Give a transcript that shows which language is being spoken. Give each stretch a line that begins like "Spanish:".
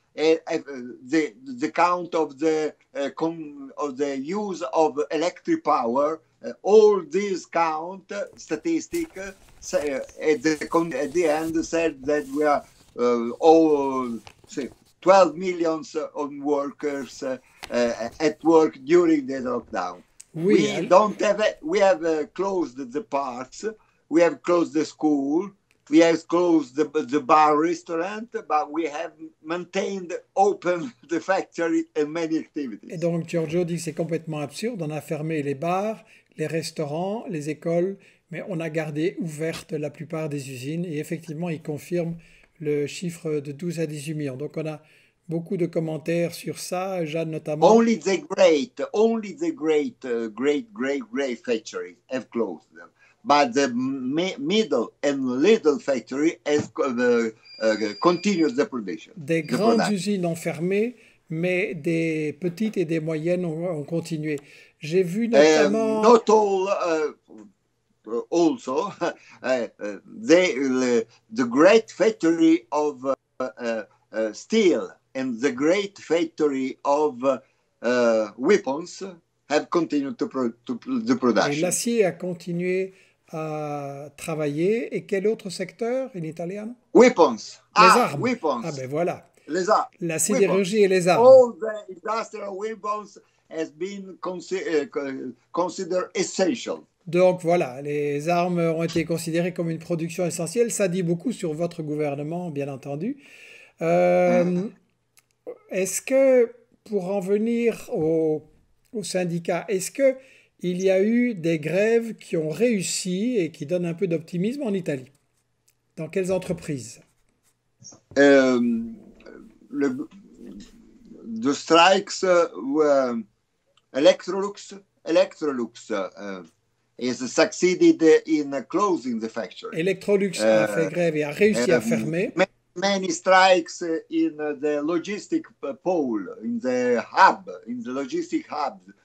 English: The count of the use of electric power, all these count statistics at the end said that we are all say 12 million of workers at work during the lockdown.
French: Oui.
English: We have closed the parks, we have closed the school. We have closed the bar restaurant, but we have maintained open the factory and many activities.
French: Et donc Giorgio dit que c'est complètement absurde. On a fermé les bars, les restaurants, les écoles, mais on a gardé ouverte la plupart des usines. Et effectivement, il confirme le chiffre de 12 à 18 millions. Donc on a beaucoup de commentaires sur ça, Jeanne notamment.
English: Only the great factories have closed them. But the middle and little factory has continued the production.
French: Des grandes usines ont fermé, mais des petites et des moyennes ont continué. J'ai vu notamment...
English: Not all, also, the great factory of steel and the great factory of weapons have continued the production.
French: Et l'acier a continué... à travailler. Et quel autre secteur en italien?
English: Weapons.
French: Les ah, armes.
English: Weapons.
French: Ah ben voilà. Les armes. La sidérurgie
English: weapons.
French: Et les armes.
English: All the industrial weapons has been considered essential.
French: Donc voilà, les armes ont été considérées comme une production essentielle. Ça dit beaucoup sur votre gouvernement, bien entendu. Est-ce que, pour en venir au syndicat, est-ce que il y a eu des grèves qui ont réussi et qui donnent un peu d'optimisme en Italie. Dans quelles entreprises?
English: The strikes were Electrolux has succeeded in closing the factory.
French: Electrolux a fait grève et a réussi à fermer.
English: many strikes in the logistic pole, in the hub, in the logistic hub.